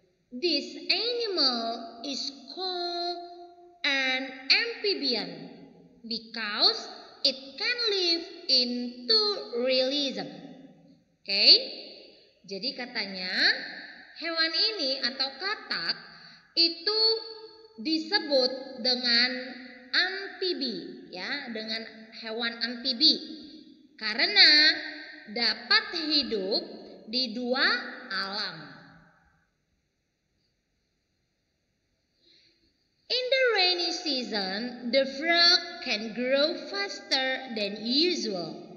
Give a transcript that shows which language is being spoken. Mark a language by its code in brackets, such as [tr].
[en] This animal is called an amphibian because it can live in two realms. Okay? [id] Jadi katanya hewan ini atau katak itu disebut dengan amfibi, ya, dengan hewan amfibi karena dapat hidup di dua alam. [en] In the rainy season, the frog can grow faster than usual.